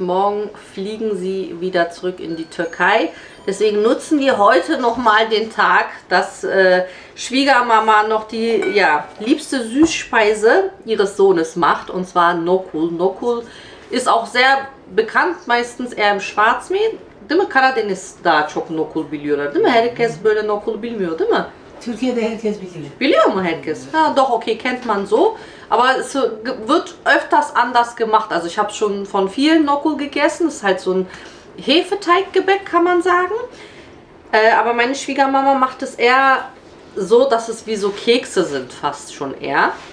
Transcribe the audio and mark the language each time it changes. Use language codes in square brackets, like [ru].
[de] Morgen fliegen sie wieder zurück in die Türkei. Deswegen nutzen wir heute nochmal den Tag, dass Schwiegermama noch die liebste Süßspeise ihres Sohnes macht. Und zwar Nokul. Nokul ist auch sehr bekannt, meistens eher im Schwarzmeer. [tr] Dime Karadeniz da çok Nokul biliyorlar. Dime herkes böyle Nokul bilmiyor, değil mi? Türkiye'de herkes biliyor. Biliyor mu herkes? [de] Ha, doch, okay, kennt man so. Aber es wird öfters anders gemacht. Also ich habe schon von vielen Nokul gegessen. Es ist halt so ein Hefeteiggebäck, kann man sagen. Aber meine Schwiegermama macht es eher so, dass es wie so Kekse sind, fast schon eher.